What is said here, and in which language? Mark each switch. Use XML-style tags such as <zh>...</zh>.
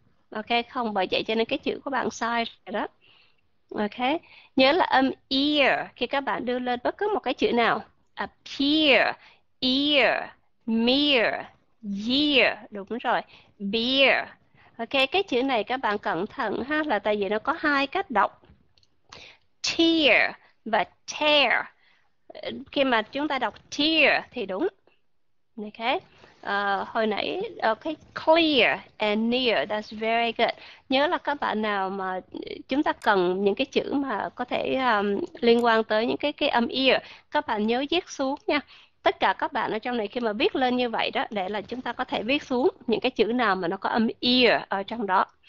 <vi>Ok, không, bởi vậy cho nên cái chữ của bạn sai rồi đó. Ok, nhớ là âm ear, khi các bạn đưa lên bất cứ một cái chữ nào, appear, ear, mere, year, đúng rồi, beer. Ok, cái chữ này các bạn cẩn thận ha, là tại vì nó có hai cách đọc. Tear và tear. Khi mà chúng ta đọc tear thì đúng.</vi> <en>Ok,</en> <vi>hồi nãy,</vi> <en>ok, clear and near, that's very good.</en> <vi>Nhớ là các bạn nào mà chúng ta cần những cái chữ mà có thể liên quan tới những cái âm ear, các bạn nhớ viết xuống nha. Tất cả các bạn ở trong này khi mà viết lên như vậy đó để là chúng ta có thể viết xuống những cái chữ nào mà nó có âm ear ở trong đó.</vi>